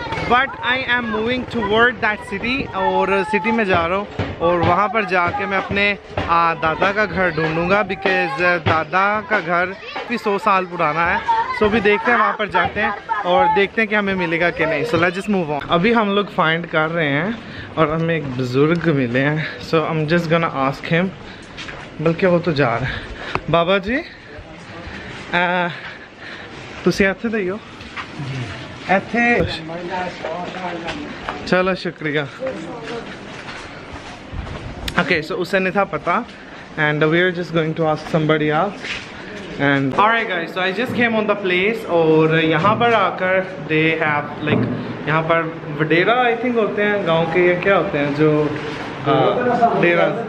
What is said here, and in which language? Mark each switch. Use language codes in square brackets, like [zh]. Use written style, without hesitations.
[en] but I am moving toward that city [hi] और city में जा रहा हूँ और वहाँ पर जाके मैं अपने दादा का घर ढूँढूँगा बिकॉज दादा का घर भी 100 साल पुराना है. सो भी देखते हैं, वहाँ पर जाते हैं और देखते हैं कि हमें मिलेगा कि नहीं. [en] So let's just move on. [hi] अभी हम लोग फाइंड कर रहे हैं और हमें एक बुज़ुर्ग मिले हैं. [en] so I am just gonna ask him, [hi] बल्कि वो तो जा रहे हैं. [pa] बाबा जी तुसी इत्थे दियो इत्थे. [hi] चलो शुक्रिया. [en] okay so [hi] उसे नहीं था पता [en] And we are just going to ask somebody else. And all right guys, so I just came on the place [hi] और यहाँ पर आकर [en] they have like [hi] यहाँ पर वडेरा आई थिंक होते हैं गाँव के, ये क्या होते हैं जो डेरा.